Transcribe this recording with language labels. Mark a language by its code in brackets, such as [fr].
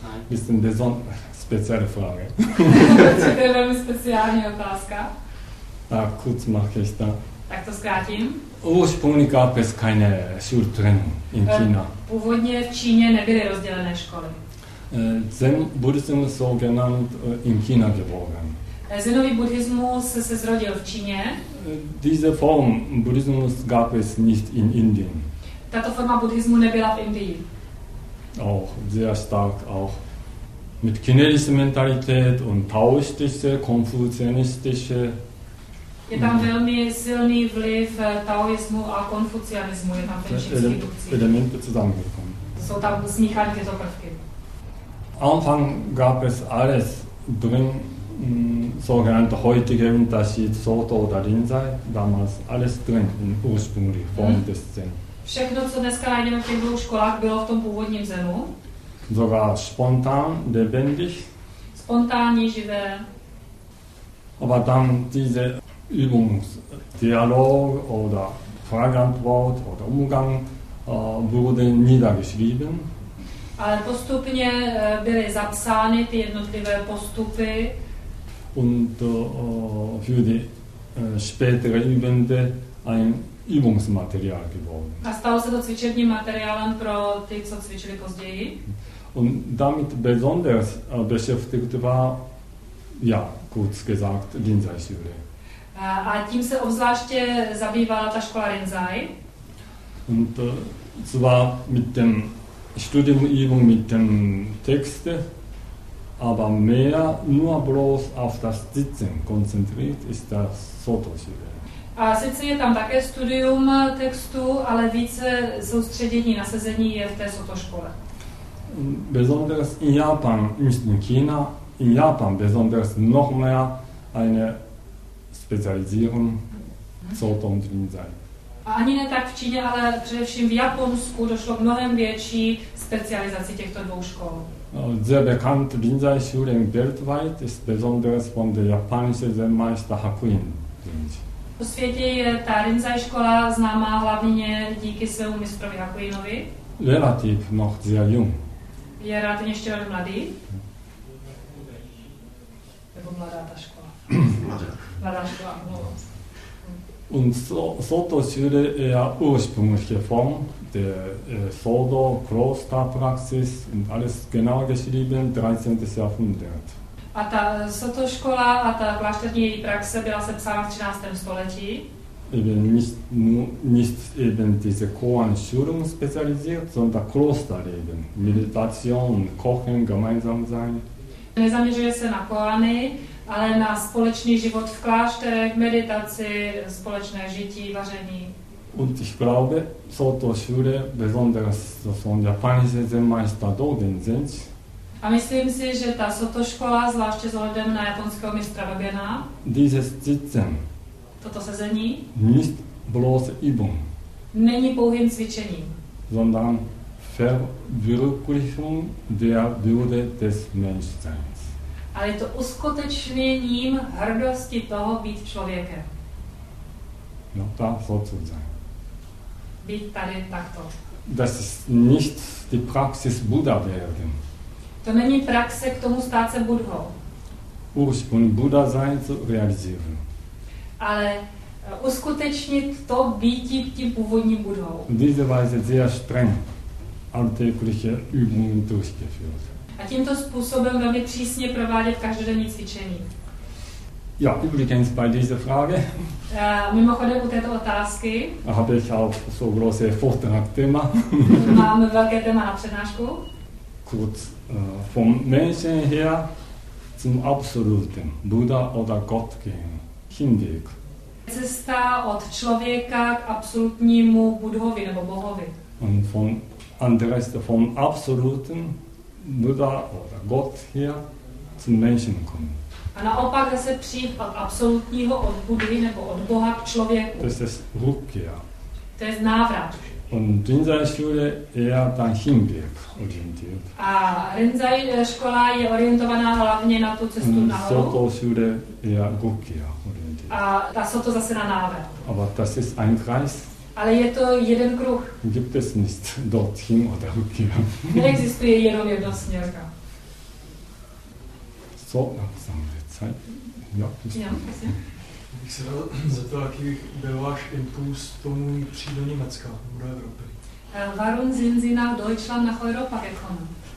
[de] Ist eine spezielle Frage. Das ist eine spezielle Frage. Da kurz mache ich da. [cs] Tak to zkrátím. [de] Ursprünglich gab es keine Schultrennung in China. [cs] Původně v Číně nebyly rozdělené školy. [de] Zen Buddhism so genannt in China geboren. [cs] Zenový buddhismus se zrodil v Číně. [de] Diese Form Buddhismus gab es nicht in Indien. [cs] Tato forma buddhismu nebyla v Indii. [de] Auch sehr stark auch mit chinesischer Mentalität und taoistische, konfuzianistische. [cs] Je tam velmi silný vliv taoismu a konfucianismu, je tam ten čínský buddhismus. [de] Elemente zusammengekommen. [cs] Jsou tam smíchané tyto prvky. [de] Anfang gab es alles drin, sogenannte heutige Unterschied Soto oder Rinzai, damals alles drin in ursprünglich Form des Zen. [cs] Všechno, co dneska najdeme v těch dvou školách, bylo v tom původním Zenu. [de] Sogar spontan, lebendig. [cs] Spontánní, živé. [de] Aber dann diese Übungs, Dialog oder Frageantwort oder Umgang wurde niedergeschrieben. [cs] Ale postupně byly zapsány ty jednotlivé postupy. [de] Und für die spätere Übende ein Übungsmaterial geworden. [cs] A stalo se to cvičebním materiálem pro ty, co cvičili později. [de] Und damit besonders beschäftigt war, ja, kurz gesagt, Rinzai-Schule. [cs] A tím se obzvláště zabývala ta škola Rinzai. [de] Und zwar mit dem Studium-Übung mit dem Text, aber mehr nur bloß auf das Sitzen konzentriert ist das Soto-Schule. [cs] A sice je tam také studium textu, ale více soustředění na sezení je v té Soto-škole. [de] Besonders in Japan, nicht in China, in Japan besonders noch mehr eine Spezialisierung Soto und Rinzai. [cs] A ani ne tak v Číně, ale především v Japonsku došlo k mnohem větší specializaci těchto dvou škol. [de] Sehr bekannt Rinzai Schule weltweit ist besonders von der japanischen Zen-Meister Hakuin. [cs] Po světě je ta Rinzai škola známá hlavně díky svému mistrovi Hakuinovi. [de] Relativ noch sehr jung. [cs] Je relativně ještě velmi mladý. Nebo mladá ta škola. Mladá škola, mluvám. [de] Und Soto-Schule eher ursprüngliche Form, der Soto-Kloster-Praxis und alles genau geschrieben, 13. Jahrhundert. [cs] A ta Soto-Škola a ta klášterní praxe byla sepsána v 13. století. [de] Eben nicht eben diese Koan-Schulung spezialisiert, sondern Klosterleben, Meditation und Kochen gemeinsam sein. [cs] Nezaměřuje se na koany, ale na společný život v klášterech, meditaci, společné žití, vaření. [de] Und ich glaube, Soto Schule besonders von japanischen Zen-Meister Dogen Zenji. [cs] A myslím si, že ta Soto škola, zvláště s ohledem na japonského mistra Dogena, [de] dieses Zitzen, [cs] toto sezení, [de] nicht bloß Übung, [cs] není pouhým cvičením, [de] sondern Verwirklichung der Würde des Menschen. [cs] Ale je to uskutečněním hrdosti toho být člověkem. [de] No, da sozusagen. [cs] Být tady takto. [de] Das ist nicht die Praxis Buddha werden. [cs] To není praxe k tomu stát se Buddhou. [de] Ursprünglich Buddha sein zu realisieren. [cs] Ale uskutečnit to býti tím původním Buddhou. [de] Diese Weise sehr streng alltägliche Übungen durchgeführt. [cs] A tímto způsobem velmi přísně provádět každodenní cvičení. [de] Ja, übrigens bei dieser Frage. [cs] Mimochodem u této otázky. [de] Habe ich auch so große Vortragsthema. [cs] Mám velké téma na přednášku. [de] Kurz, vom Menschen her zum Absoluten, Buddha oder Gott gehen, Hinweg. [cs] Cesta od člověka k absolutnímu Budhovi nebo Bohovi. [de] Und von anderes, vom Absoluten, Buddha oder Gott hier zum Menschen kommen. [cs] A naopak zase přijít od absolutního, od Buddhy nebo od Boha k člověku. [de] Das ist Rückkehr. [cs] To je návrat. [de] Und Rinzai Schule eher dann Hinweg orientiert. [cs] A Rinzai škola je orientovaná hlavně na tu cestu nahoru. [de] Soto Schule eher Rückkehr orientiert. [cs] A ta Soto zase na návrat. [de] Aber das ist ein Kreis. [cs] Ale je to jeden kruh. [de] Gibt es nicht dorthin oder hier. [cs] Neexistuje jenom jedna směrka. [de] So, langsam wird Zeit. [cs] Ja, prosím. Bych se zeptal, jaký byl váš impuls tomu přijít do Německa, do Evropy. [de] Warum sind Sie nach Deutschland, nach Europa gekommen?